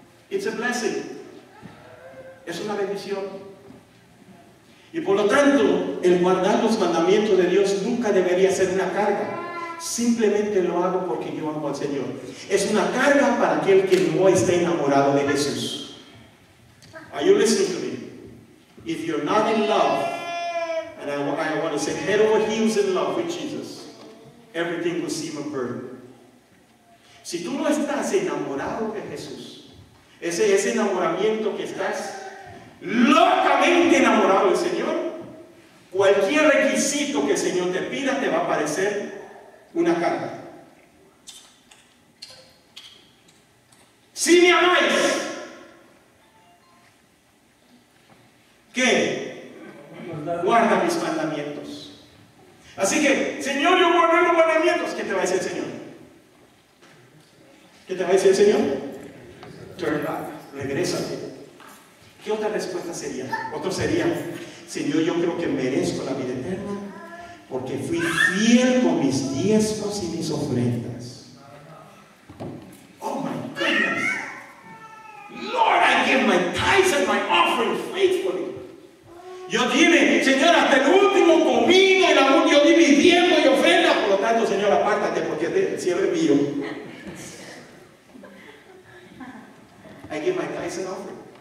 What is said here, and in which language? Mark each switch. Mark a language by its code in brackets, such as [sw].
[en] It's a blessing. [es] Es una bendición. Y por lo tanto, el guardar los mandamientos de Dios nunca debería ser una carga. Simplemente lo hago porque yo amo al Señor. Es una carga para aquel que no está enamorado de Jesús. [en] Are you listening to me? If you're not in love, and I want to say head over heels in love with Jesus, everything will seem a burden. [es] Si tú no estás enamorado de Jesús, ese enamoramiento que estás locamente enamorado del Señor, cualquier requisito que el Señor te pida te va a parecer una carga. Si me amáis, ¿qué? Guarda mis mandamientos. Así que, Señor, yo guardo los mandamientos. ¿Qué te va a decir el Señor? ¿Qué te va a decir el Señor? [en] Turn back. [es] Regrésate. ¿Qué otra respuesta sería? Otro sería, Señor, yo creo que merezco la vida eterna porque fui fiel con mis diezmos y mis ofrendas. [en] Oh my goodness. Lord, I give my tithes and my offering faithfully. [es] Yo dime, Señor, hasta el último comido, el amor, yo di mi diezmo y ofrenda. Por lo tanto, Señor, apártate porque el cielo es mío. [en] I give my tithes and offering.